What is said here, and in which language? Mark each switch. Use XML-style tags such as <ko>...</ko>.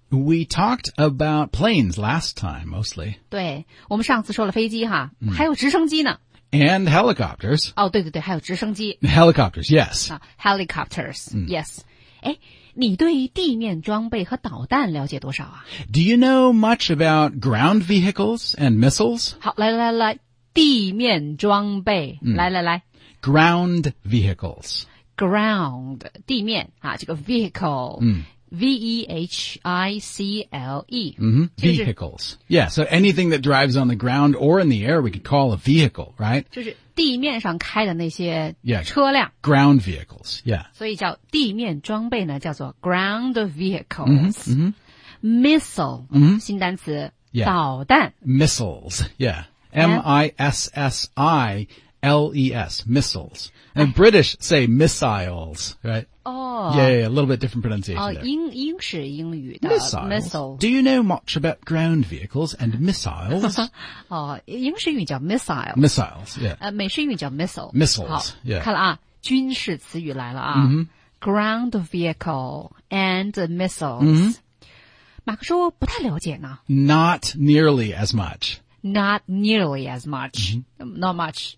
<en>We talked about planes last time mostly.</en> <zh>对，我们上次说了飞机哈， mm-hmm. 还有直升机呢。</zh> <en>And helicopters.</en> <zh>哦、oh, ，对对对，还有直升机。</zh> <en>Helicopters, yes.、 Helicopters,、mm. yes.</en> <zh>哎，你对地面装备和导弹了解多少啊</zh> <en>？Do you know much about ground vehicles and missiles?</en> <zh>好，来来来，地面装备， mm. 来来来</zh> <en>，ground vehicles.</en> <zh>Ground 地面啊，这个 vehicle.、 Mm.</zh> <en>V-E-H-I-C-L-E. Mm-hmm. Vehicles. Yeah, so anything that drives on the ground or in the air, we could call a vehicle, right?</en> <zh>就是地面上开的那些车辆。</zh> <en>Yeah, ground vehicles, yeah.</en> <zh>所以叫地面装备呢叫做 ground vehicles. Mm-hmm. Mm-hmm.</zh> <en>Missile, mm-hmm.</en> <zh>新单词、</zh> <en>yeah.</en> <zh>导弹。</zh> <en>Missiles, yeah. M-I-S-S-I, M-I-S-S-I-L-E-S, missiles. And British say missiles, right? Oh. Yeah, a little bit different pronunciation</en> <zh>there. 英式英语的 missiles.</zh> <en>Do you know much about ground vehicles and missiles?</en> <zh>英式英语叫 missiles.</zh> <en>Missiles, yeah.</en> <zh>美式英语叫 missiles.</zh> <en>Missiles,</en> <zh>好,</zh> <en>yeah.</en> <zh>看了啊,军事词语来了啊。</zh> <en>Mm-hmm. Ground vehicle and missiles. Mm-hmm.</en> <zh>马克说不太了解呢。</zh> <en>Not nearly as much. Not nearly as much. Mm-hmm. Not much.</en>